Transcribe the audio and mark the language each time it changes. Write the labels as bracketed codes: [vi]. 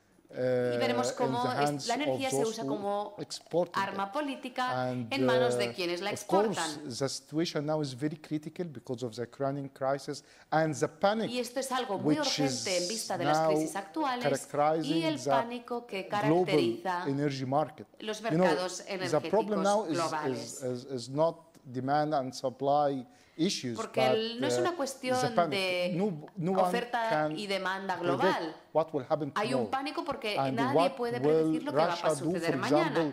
[es] Y veremos cómo la energía se usa como arma política en manos de quienes la exportan. [en] The situation now is very critical because of the Ukrainian crisis and the panic. [es] Y esto es algo muy urgente en vista de las crisis actuales y el pánico que caracteriza los mercados energéticos globales. [en] The problem now is not demand and supply issues. [es] Porque no es una cuestión de oferta y demanda global. Hay un pánico porque nadie puede predecir lo que va a suceder mañana.